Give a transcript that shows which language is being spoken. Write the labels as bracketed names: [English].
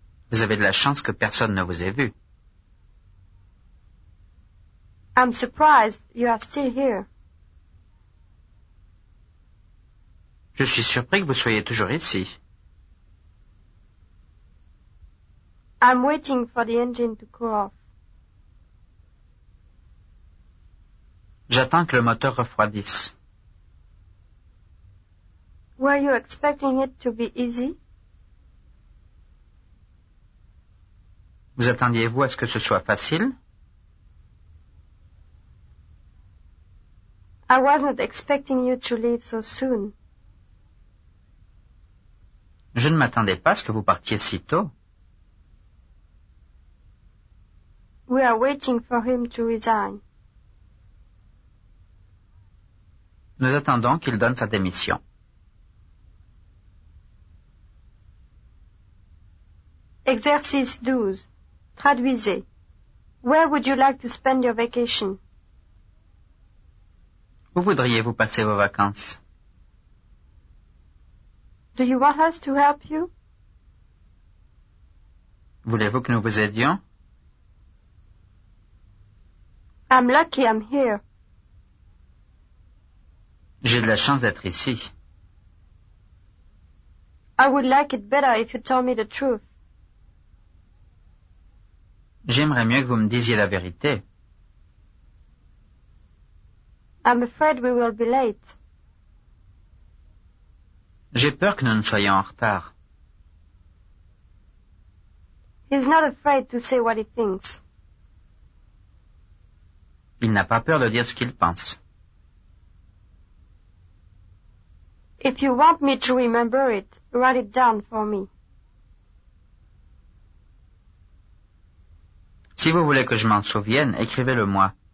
[French] Vous avez de la chance que personne ne vous ait vu. [English] I'm surprised you are still here. [French] Je suis surpris que vous soyez toujours ici. [English] I'm waiting for the engine to cool off. [French] J'attends que le moteur refroidisse. [English] Were you expecting it to be easy? [French] Vous attendiez-vous à ce que ce soit facile? [English] I wasn't expecting you to leave so soon. [French] Je ne m'attendais pas à ce que vous partiez si tôt. [English] We are waiting for him to resign. [French] Nous attendons qu'il donne sa démission. Exercice 12. Traduisez. [English] Where would you like to spend your vacation? [French] Où voudriez-vous passer vos vacances? [English] Do you want us to help you? [French] Voulez-vous que nous vous aidions? [English] I'm lucky I'm here. [French] J'ai de la chance d'être ici. [English] I would like it better if you told me the truth. [French] J'aimerais mieux que vous me disiez la vérité. [English] I'm afraid we will be late. [French] J'ai peur que nous ne soyons en retard. [English] He's not afraid to say what he thinks. [French] Il n'a pas peur de dire ce qu'il pense. [English] If you want me to remember it, write it down for me. [French] Si vous voulez que je m'en souvienne, écrivez-le moi.